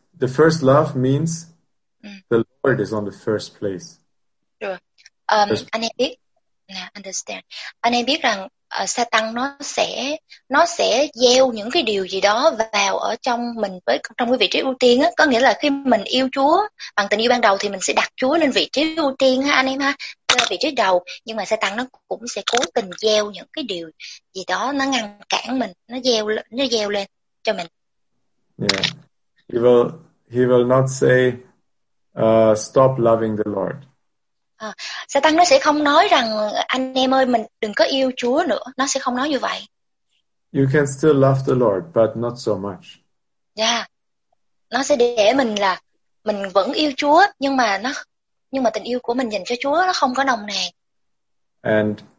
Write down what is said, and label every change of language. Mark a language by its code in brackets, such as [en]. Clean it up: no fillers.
[en] The first love means the Lord is on the first place. Sure. Understand. [vi] Anh em biết rằng Satan nó sẽ gieo những cái điều gì đó vào ở trong mình với trong cái vị trí ưu tiên á, có nghĩa là khi mình yêu Chúa bằng tình yêu ban đầu thì mình sẽ đặt Chúa lên vị trí ưu tiên ha anh em ha, lên vị trí đầu, nhưng mà Satan nó cũng sẽ cố tình gieo những cái điều gì đó nó ngăn cản mình, nó gieo lên cho mình. Yeah. [en] He will not say stop loving the Lord. [vi] Satan nó sẽ không nói rằng anh em ơi mình đừng có yêu Chúa nữa, nó sẽ không nói như vậy. [en] You can still love the Lord but not so much. Yeah. [vi] Nó sẽ để mình là mình vẫn yêu Chúa nhưng mà tình yêu của mình dành cho Chúa nó không có nồng nàn.